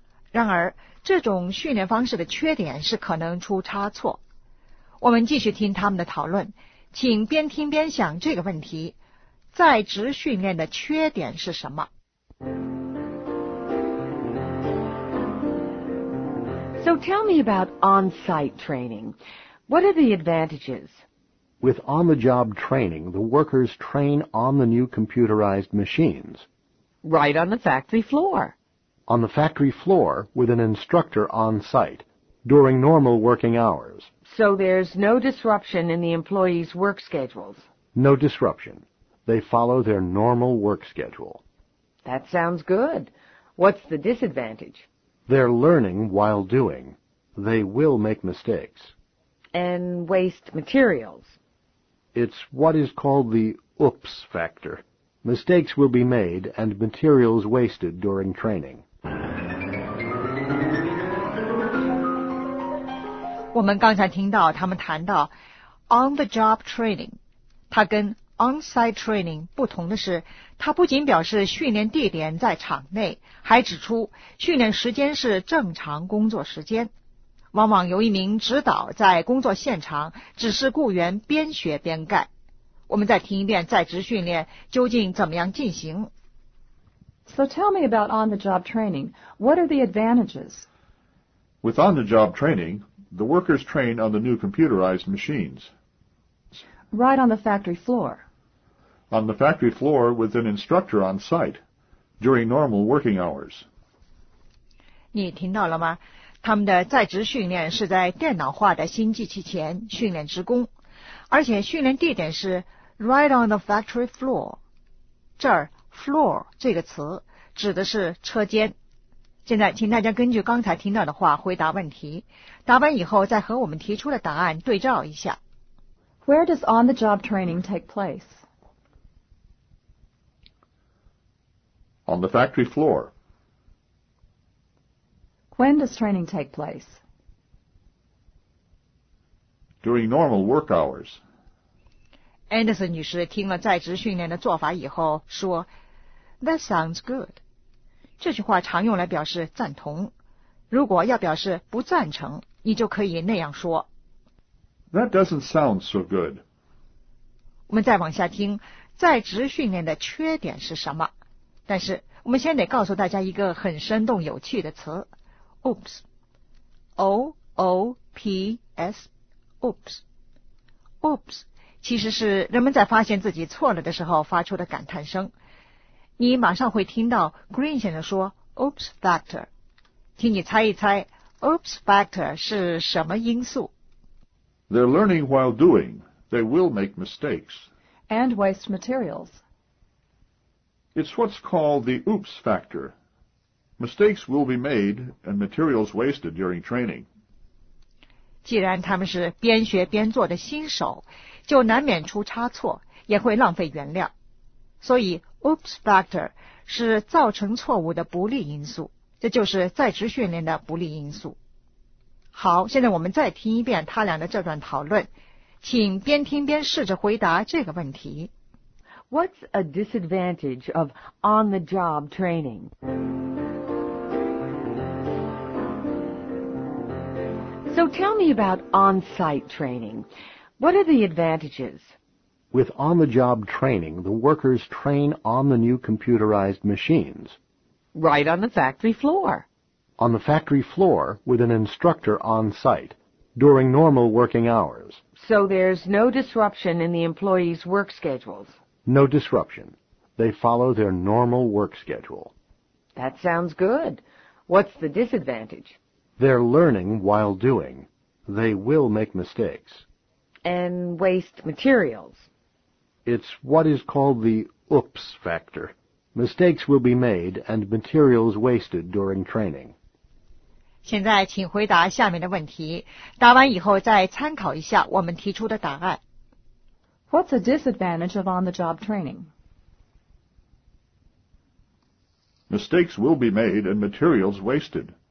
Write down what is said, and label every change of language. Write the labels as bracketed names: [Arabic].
[Chinese] 然而这种训练方式的缺点是可能出差错。我们继续听他们的讨论，请边听边想这个问题，在职训练的缺点是什么。 [English] So tell me about on-site training. What are the advantages? With on-the-job training, the workers train on the new computerized machines. Right on the factory floor. On the factory floor with an instructor on-site during normal working hours. So there's no disruption in the employees' work schedules? No disruption. They follow their normal work schedule. That sounds good. What's the disadvantage? They're learning while doing. They will make mistakes. And waste materials. It's what is called the oops factor. Mistakes will be made and materials wasted during training. [Chinese] 我们刚才听到他们谈到 on-the-job training， 它跟 on-site training 不同的是，它不仅表示训练地点在场内，还指出训练时间是正常工作时间。往往由一名指导在工作现场指示雇员边学边干。我们再听一遍在职训练究竟怎么样进行。 [English] So tell me about on-the-job training. What are the advantages? With on-the-job training, the workers train on the new computerized machines. Right on the factory floor. On the factory floor with an instructor on site during normal working hours. [Chinese] 你听到了吗？他们的在职训练是在电脑化的新机器前训练职工，而且训练地点是 [English] right on the factory floor。 [Chinese] 这儿 floor 这个词指的是车间。现在请大家根据刚才听到的话回答问题，答完以后再和我们提出的答案对照一下。 [English] Where does on-the-job training take place? On the factory floor. When does training take place? During normal work hours. [Chinese] Anderson 女士听了在职训练的做法以后说 [English] That sounds good. [Chinese] 这句话常用来表示赞同，如果要表示不赞成，你就可以那样说 [English] That doesn't sound so good. [Chinese] 我们再往下听，在职训练的缺点是什么。但是我们先得告诉大家一个很生动有趣的词，Oops, O-O-P-S, oops, oops, 其实是人们在发现自己错了的时候发出的感叹声。你马上会听到 Green 先生说 oops factor， 请你猜一猜 oops factor 是什么因素。 [English] They're learning while doing. They will make mistakes. And waste materials. It's what's called the oops factor. Mistakes will be made and materials wasted during training. [Chinese] 既然他们是边学边做的新手，就难免出差错，也会浪费原料。所以 oops factor 是造成错误的不利因素，这就是在职训练的不利因素。好，现在我们再听一遍他俩的这段讨论，请边听边试着回答这个问题。 [English] What's a disadvantage of on-the-job training? So tell me about on-site training. What are the advantages? With on-the-job training, the workers train on the new computerized machines. Right on the factory floor. On the factory floor with an instructor on-site during normal working hours. So there's no disruption in the employees' work schedules. No disruption. They follow their normal work schedule. That sounds good. What's the disadvantage? They're learning while doing. They will make mistakes. And waste materials. It's what is called the oops factor. Mistakes will be made and materials wasted during training. [Chinese] 现在请回答下面的问题，答完以后再参考一下我们提出的答案。 [English] What's a disadvantage of on-the-job training? Mistakes will be made and materials wasted.